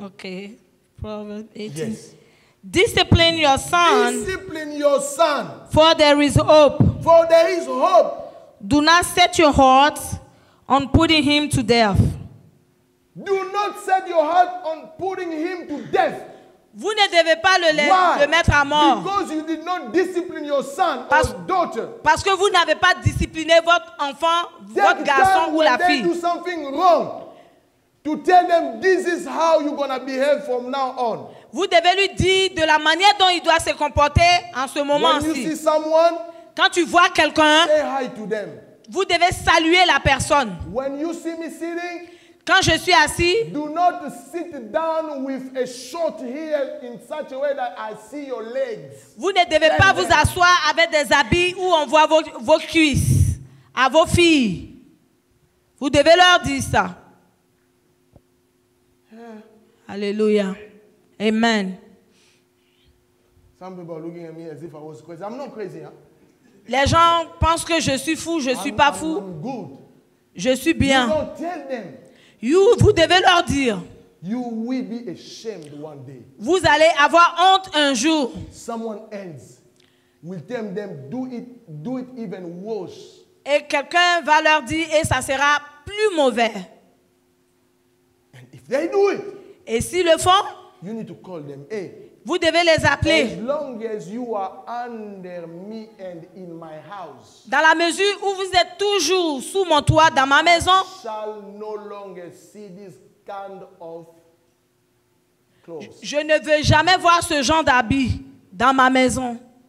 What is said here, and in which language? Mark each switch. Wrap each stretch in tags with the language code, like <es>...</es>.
<en>Okay. Proverbs 18. Yes. Discipline your son. Discipline your son. For there is hope. For there is hope. Do not set your heart on putting him to death. Do not set your heart on putting him to death.</en> <fr>Vous ne devez pas le mettre à mort.</fr> <en>Because you did not discipline your son or daughter.</en> <fr>Parce que vous n'avez pas discipliné votre enfant,</fr> <en>Take</en> <fr>votre garçon ou la fille.</fr> <en>They do something wrong. To tell them this is how you're going to behave from now on.</en> <fr>Vous devez lui dire de la manière dont il doit se comporter en ce moment-ci.</fr> <en>When you see someone,</en> <fr>quand tu vois quelqu'un,</fr> <en>say hi to them.</en> <fr>Vous devez saluer la personne.</fr> <en>When you see me sitting,</en> <fr>quand je suis assis,</fr> <en>do not sit down with a short heel in such a way that I see your legs.</en> <fr>Vous ne devez pas vous asseoir avec des habits où on voit vos cuisses à vos filles. Vous devez leur dire ça.</fr> <en>Yeah.</en> <fr>Alléluia. Amen.</fr> <en>Some people are looking at me as if I was crazy. I'm not crazy, huh?</en> <fr>Les gens pensent que je suis fou. Je suis pas fou.</fr> <en>I'm good.</en> <fr>Je suis bien.</fr> <en>You don't tell them.</en> <fr>Vous devez leur dire.</fr> <en>You will be ashamed one day.</en> <fr>Vous allez avoir honte un jour.</fr> <en>Someone else will tell them do it even worse.</en> <fr>Et quelqu'un va leur dire et ça sera plus mauvais.</fr> <en>And if they do it,</en> <fr>et s'ils le font,</fr> <en>you need to call them. Hey,</en> <fr>vous devez les appeler.</fr> <en>As long as you are under me and in my house,</en> <fr>dans la mesure où vous êtes toujours sous mon toit, dans ma maison,</fr> <en>shall no longer see this kind of clothes.</en> <fr>Je ne veux jamais voir ce genre d'habit dans ma maison.</fr>